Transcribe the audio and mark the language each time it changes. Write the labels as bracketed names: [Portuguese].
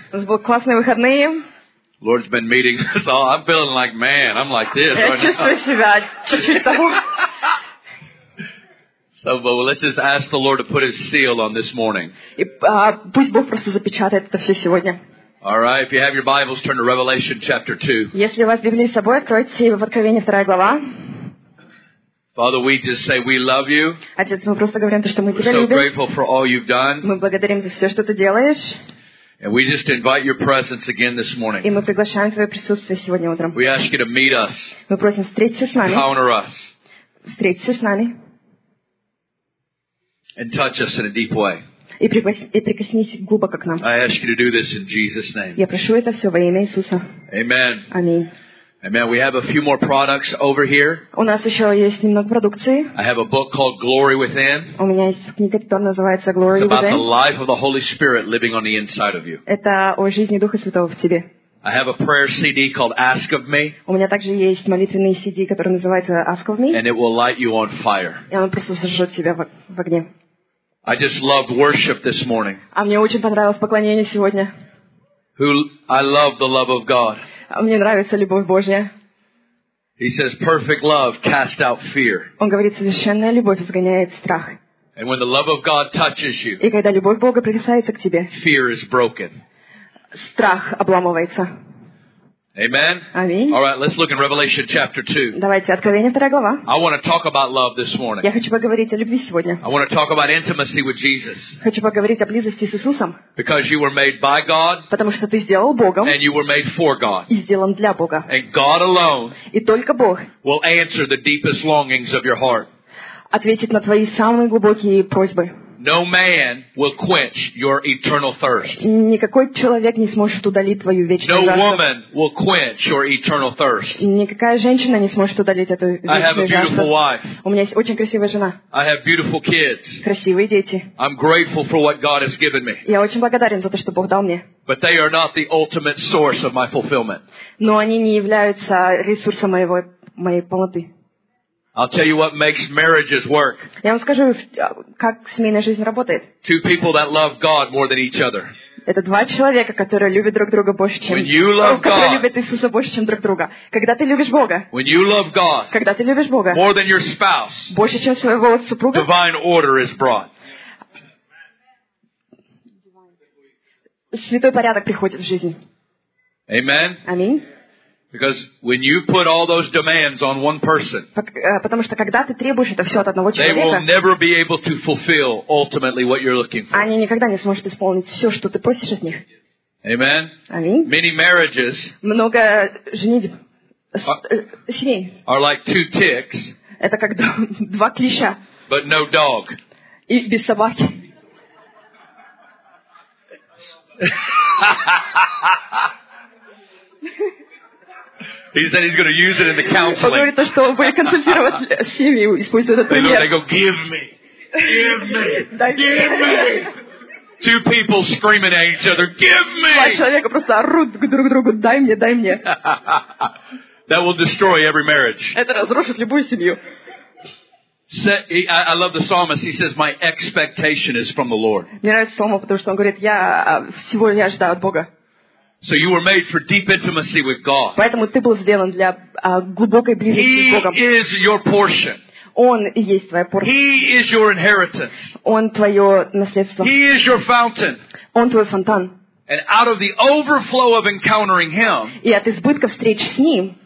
[Russian] У нас были классные выходные. [English] Lord's been meeting us all. I'm feeling like man. I'm like this. [Russian] Я чувствую себя чуть-чуть того. [English] So, but let's just ask the Lord to put His seal on this morning. [Russian] И пусть Бог просто запечатает это все сегодня. [English] All right. If you have your Bibles, turn to Revelation chapter 2. [Russian] Если у вас Библия с собой, откройте в Откровение вторая глава. [English] Father, we just say we love you. [Russian] Отец, мы просто говорим то, что мы тебя любим. [English] We're so grateful for all you've done. [Russian] Мы благодарим за все, что ты делаешь. [English] And we just invite your presence again this morning. [Russian] И мы приглашаем твое присутствие сегодня утром. [English] We ask you to meet us. [Russian] Мы просим встретиться с нами. [English] Encounter us. [Russian] Встретиться с нами. [English] And touch us in a deep way. [Russian] И прикоснись глубоко к нам. [English] I ask you to do this in Jesus' name. [Russian] Я прошу это все во имя Иисуса. [English] Amen. [Russian] Аминь. [English] Amen. We have a few more products over here. [Russian] У нас еще есть немного продукции. [English] I have a book called Glory Within. [Russian] У меня есть книга, которая называется Glory Within. [English] It's about the life of the Holy Spirit living on the inside of you. [Russian] Это о жизни Духа Святого в тебе. [English] I have a prayer CD called Ask of Me. [Russian] У меня также есть молитвенный CD, который называется Ask of Me. [English] And it will light you on fire. [Russian] И он просто сожжет тебя в огне. [English] I just loved worship this morning. [Russian] А мне очень понравилось поклонение сегодня. [English] I love the love of God. [Russian] Мне нравится любовь Божья. [English] He says, "Perfect love casts out fear." [Russian] Он говорит, совершенная любовь изгоняет страх. [English] And when the love of God touches you, [Russian] и когда любовь Бога прикасается к тебе, [English] fear is broken. [Russian] Страх обламывается. [English] Amen. [Russian] Аминь. [English] All right, let's look in Revelation chapter 2. [Russian] Давайте Откровение вторая глава. [English] I want to talk about love this morning. [Russian] Я хочу поговорить о любви сегодня. [English] I want to talk about intimacy with Jesus. [Russian] Хочу поговорить о близости с Иисусом. [English] Because you were made by God. [Russian] Потому что ты сделал Богом. [English] And you were made for God. [Russian] И сделан для Бога. [English] And God alone. [Russian] И только Бог. [English] Will answer the deepest longings of your heart. [Russian] Ответит на твои самые глубокие просьбы. [English] No man will quench your eternal thirst. [Russian] Никакой человек не сможет удалить твою вечную жажду. [English] No woman will quench your eternal thirst. [Russian] Никакая женщина не сможет удалить эту вечную жажду. [English] I have a beautiful wife. [Russian] У меня есть очень красивая жена. [English] I have beautiful kids. [Russian] Красивые дети. [English] I'm grateful for what God has given me. [Russian] Я очень благодарен за то, что Бог дал мне. [English] But they are not the ultimate source of my fulfillment. [Russian] Но они не являются ресурсом моей полноты. [English] I'll tell you what makes marriages work. [Russian] Я вам скажу, как семейная жизнь работает. [English] Two people that love God more than each other. [Russian] Это два человека, которые любят друг друга больше, чем. [English] When you love God. [Russian] Которые любят Иисуса больше, чем друг друга. Когда ты любишь Бога. [English] When you love God. [Russian] Когда ты любишь Бога. [English] More than your spouse. [Russian] Больше, чем своего супруга. [English] Divine order is brought. [Russian] Святой порядок приходит в жизнь. [English] Amen. [Russian] Аминь. [English] Because when you put all those demands on one person, [Russian] потому что когда ты требуешь это все от одного человека, [English] they will never be able to fulfill ultimately what you're looking for. [Russian] Они никогда не смогут исполнить все, что ты просишь от них. [English] Amen. [Russian] Аминь. [English] Many marriages, [Russian] много женитьб, семей, [English] are like two ticks. [Russian] Это как два клеща. [English] But no dog. [Russian] И без собаки. [English] He said he's going to use it in the counseling. [Russian] Он говорит, что он будет консультировать семьи, используя этот пример. [English] They go, give me, give me, give me. Two people screaming at each other, give me. [Russian] Два человека просто орут друг другу, дай мне, дай мне. [English] That will destroy every marriage. [Russian] Это разрушит любую семью. [English] I love the psalmist. He says, my expectation is from the Lord. [Russian] Мне нравится псалом, потому что он говорит, я всего я ожидаю от Бога. [English] So you were made for deep intimacy with God. [Russian] Поэтому ты был сделан для глубокой близости с Богом. [English] He is your portion. [Russian] Он и есть твоя порция. [English] He is your inheritance. [Russian] Он твое наследство. [English] He is your fountain. [Russian] Он твой фонтан. [English] And out of the overflow of encountering Him, [Russian] и от избытка встреч с Ним,